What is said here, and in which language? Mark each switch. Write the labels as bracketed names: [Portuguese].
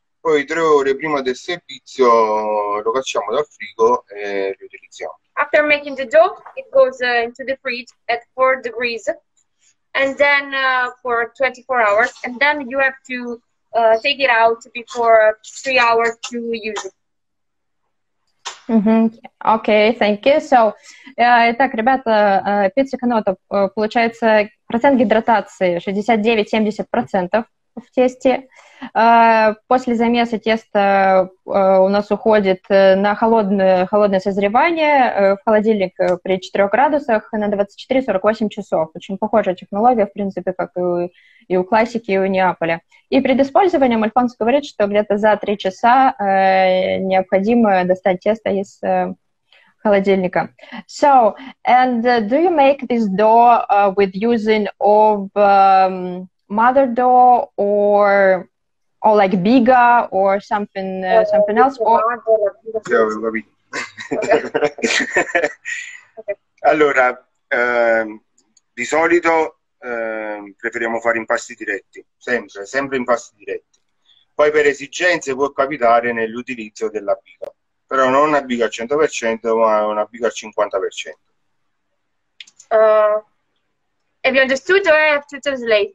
[Italian] Poi 3 ore prima del servizio lo cacciamo dal frigo e riutilizziamo. [English] After making the dough, it goes into the fridge at 4 degrees, and then for 24 hours, and then you have to take it out before 3 hours to use it. Mm-hmm. Okay, thank you. [Russian] So, итак, ребята, пицца канота, получается, процент гидратации 69-70% в тесте. После замеса тесто у нас уходит на холодное созревание в холодильник при 4 градусах на 24-48 часов. Очень похожая технология, в принципе, как и у классики, и у Неаполя. И перед использованием Альфонс говорит, что где-то за 3 часа необходимо достать тесто из холодильника. [English] So, and do you make this dough with using of mother dough or... Or like biga or something, something else. Or... [Italian] Sì, ho capito. Okay. Okay. Allora, di solito preferiamo fare impasti diretti, sempre impasti diretti. Poi per esigenze può capitare nell'utilizzo della biga, però non una biga al 100%, ma una biga al 50%. [English] Have you understood or I have to translate?